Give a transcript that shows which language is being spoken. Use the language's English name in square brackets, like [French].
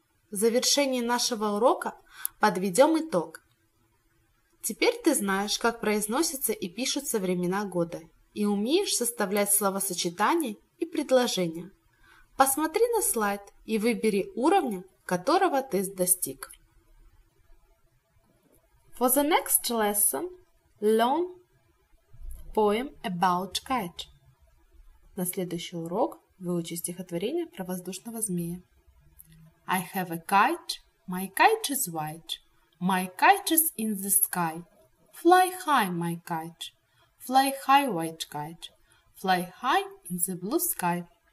[Russian] В завершении нашего урока подведем итог. Теперь ты знаешь, как произносятся и пишутся времена года, и умеешь составлять словосочетания и предложения. Посмотри на слайд и выбери уровня, которого ты достиг. [English] For the next lesson, learn poem about kite. [Russian] На следующий урок выучи стихотворение про воздушного змея. [English] I have a kite is white, my kite is in the sky. Fly high, my kite, fly high, white kite, fly high in the blue sky.